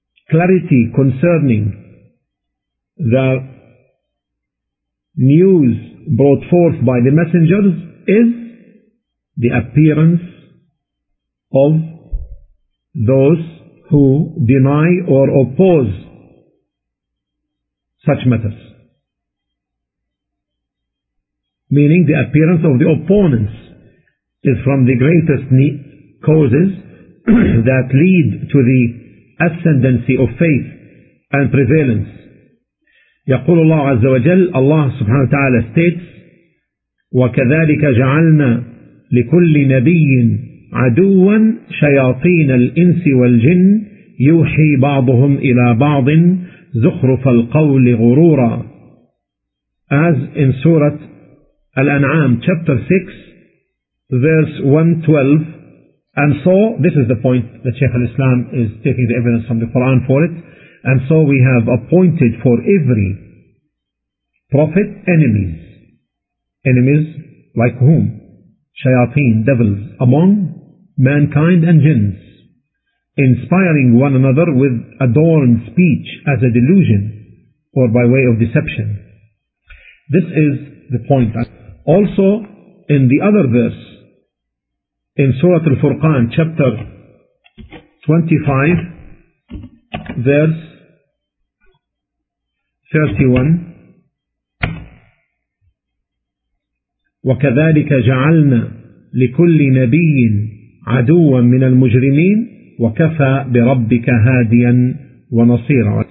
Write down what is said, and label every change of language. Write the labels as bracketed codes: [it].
[en] clarity concerning the news brought forth by the messengers, is the appearance of those who deny or oppose such matters. Meaning the appearance of the opponents is from the greatest causes that lead to the ascendancy of faith and prevalence. [ar] يقول الله عز وجل, الله سبحانه وتعالى states, وكذلك جعلنا لكل نبي عدوا شياطين الإنس والجن يوحي بعضهم إلى بعض زخرف القول غرورا. [en] As in Surah Al-An'am chapter 6 verse 112, and so this is the point that Shaykh al-Islam is taking the evidence from the Quran for it, and so we have appointed for every prophet enemies like whom? Shayateen, devils, among mankind and jinns, inspiring one another with adorned speech as a delusion or by way of deception. This is the point. Also, in the other verse, in Surah Al-Furqan, chapter 25, verse 31, [ar] وَكَذَلِكَ جَعَلْنَا لِكُلِّ نَبِيٍّ عَدُوًّا مِنَ الْمُجْرِمِينَ وَكَفَى بِرَبِّكَ هَادِيًا وَنَصِيرًا.